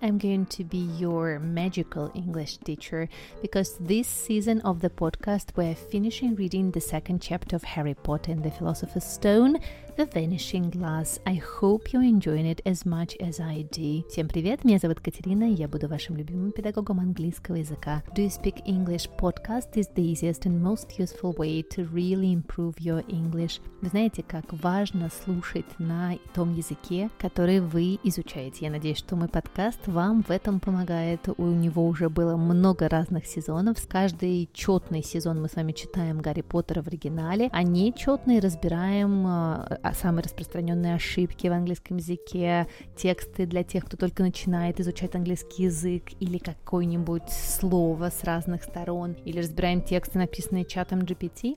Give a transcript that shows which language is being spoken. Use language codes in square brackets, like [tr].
[en] I'm going to be your magical English teacher because this season of the podcast we're finishing reading the second chapter of Harry Potter and the Philosopher's Stone, The Vanishing Glass. I hope you're enjoying it as much as I do. [ru] Всем привет, меня зовут Катерина, я буду вашим любимым педагогом английского языка. [en] Do you speak English? Podcast is the easiest and most useful way to really improve your English. [ru] Вы знаете, как важно слушать на том языке, который вы изучаете. Я надеюсь, что мой подкаст вам в этом помогает. У него уже было много разных сезонов. С каждой четный сезон мы с вами читаем Гарри Поттера в оригинале, а нечетный разбираем самые распространенные ошибки в английском языке, тексты для тех, кто только начинает изучать английский язык, или какое-нибудь слово с разных сторон, или разбираем тексты, написанные чатом GPT.